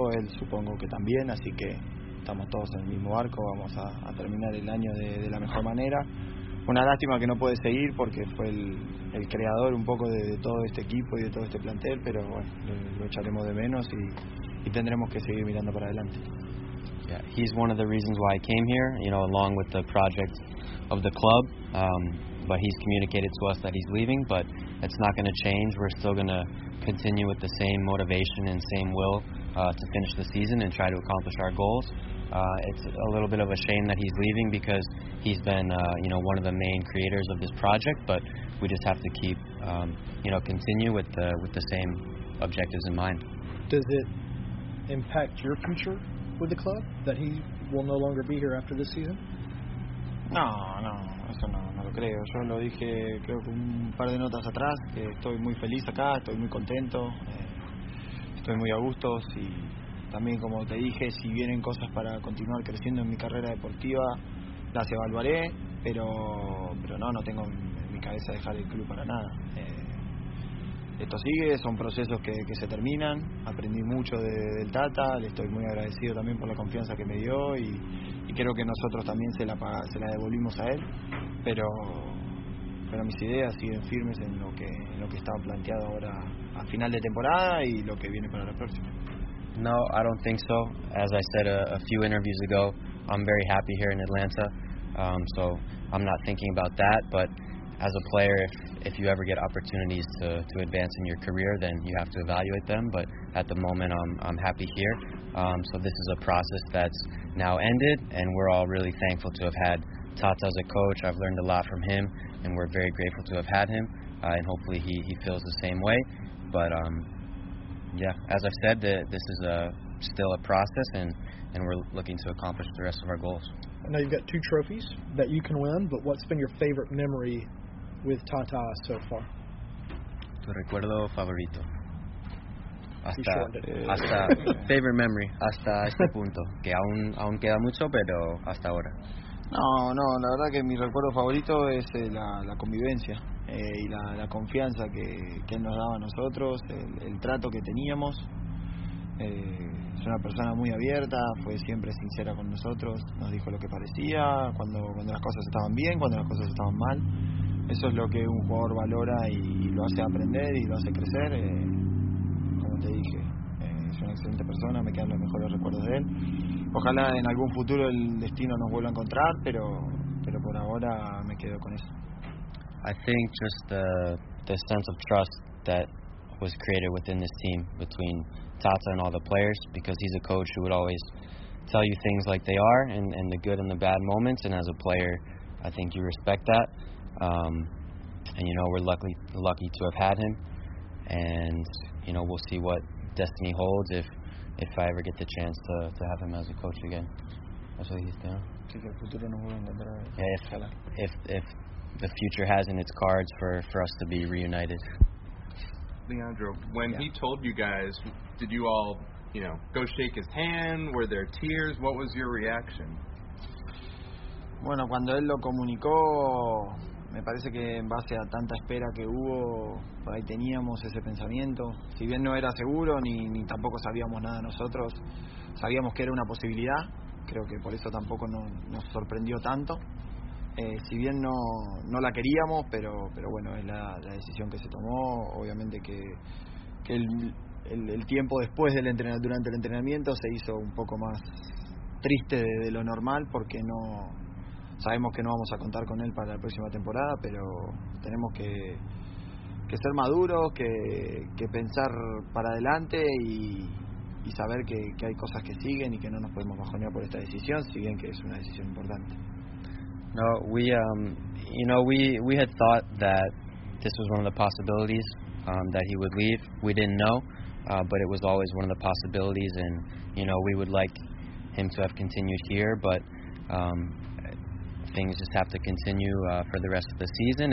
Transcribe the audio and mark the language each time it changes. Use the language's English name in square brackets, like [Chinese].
[Spanish] Él supongo que también, así que estamos todos en el mismo barco. Vamos a terminar el año de la mejor manera. Una lástima que no puede seguir porque fue el creador un poco de todo este equipo y de todo este plantel, pero bueno, lo echaremos de menos y tendremos que seguir mirando para adelante. [English] Yeah, he's one of the reasons why I came here, you know, along with the project of the club, but he's communicated to us that he's leaving, but it's not going to change. We're still going to continue with the same motivation and same will to finish the season and try to accomplish our goals. It's a little bit of a shame that he's leaving because he's been, you know, one of the main creators of this project, but we just have to keep, you know, continue with the same objectives in mind. Does it impact your future with the club that he will no longer be here after this season? [Spanish] No, eso no lo creo. Yo lo dije, creo que un par de notas atrás, que estoy muy feliz acá, estoy muy contento, estoy muy a gusto. Y también, como te dije, si vienen cosas para continuar creciendo en mi carrera deportiva, las evaluaré, pero no tengo en mi cabeza dejar el club para nada. Esto sigue, son procesos que se terminan. Aprendí mucho del Tata, le estoy muy agradecido también por la confianza que me dio y creo que nosotros también se la devolvimos a él. Pero mis ideas siguen firmes en lo que estaba planteado ahora a final de temporada y lo que viene para la próxima. [English] No, I don't think so. As I said a few interviews ago, I'm very happy here in Atlanta. So I'm not thinking about that, but as a player, if you ever get opportunities to advance in your career, then you have to evaluate them. But at the moment, I'm happy here. So this is a process that's now ended, and we're all really thankful to have had Tata as a coach. I've learned a lot from him, and we're very grateful to have had him. And hopefully he feels the same way. But, yeah, as I said, this is still a process, and we're looking to accomplish the rest of our goals. Now you've got two trophies that you can win, but what's been your favorite memory with Tata so far? [Spanish] Tu recuerdo favorito. Hasta, hasta [English] favorite memory, [Spanish] hasta este punto, que aún queda mucho, pero hasta ahora. No, la verdad que mi recuerdo favorito es la convivencia y la confianza que él nos daba a nosotros, el trato que teníamos. Es una persona muy abierta, fue siempre sincera con nosotros, nos dijo lo que parecía, cuando las cosas estaban bien, cuando las cosas estaban mal. Eso es lo que un jugador valora y lo hace aprender y lo hace crecer. Como te dije, es una excelente persona, me quedan los mejores recuerdos de él. Ojalá en algún futuro el destino nos vuelva a encontrar, pero por ahora me quedo con eso. [English] I think just the sense of trust that was created within this team between Tata and all the players, because he's a coach who would always tell you things like they are and the good and the bad moments, and as a player I think you respect that, and you know, we're lucky to have had him, and you know, we'll see what destiny holds if I ever get the chance to have him as a coach again. That's what he's doing. Yeah, if the future has in its cards for us to be reunited. Leandro, when he told you guys, did you all, you know, go shake his hand? Were there tears? What was your reaction? [Spanish] Bueno, cuando él lo comunicó, me parece que en base a tanta espera que hubo, ahí teníamos ese pensamiento. Si bien no era seguro, ni tampoco sabíamos nada nosotros, sabíamos que era una posibilidad. Creo que por eso tampoco nos sorprendió tanto. Si bien no la queríamos, pero bueno, es la decisión que se tomó. Obviamente que el tiempo después del entrenamiento, durante el entrenamiento, se hizo un poco más triste de lo normal, porque no sabemos que no vamos a contar con él para la próxima temporada, pero tenemos que ser maduros, que pensar para adelante y saber que hay cosas que siguen y que no nos podemos bajonear por esta decisión, si bien que es una decisión importante. [English] No, we had thought that this was one of the possibilities, that he would leave. We didn't know, but it was always one of the possibilities, and you know, we would like him to have continued here, but things just have to continue for the rest of the season.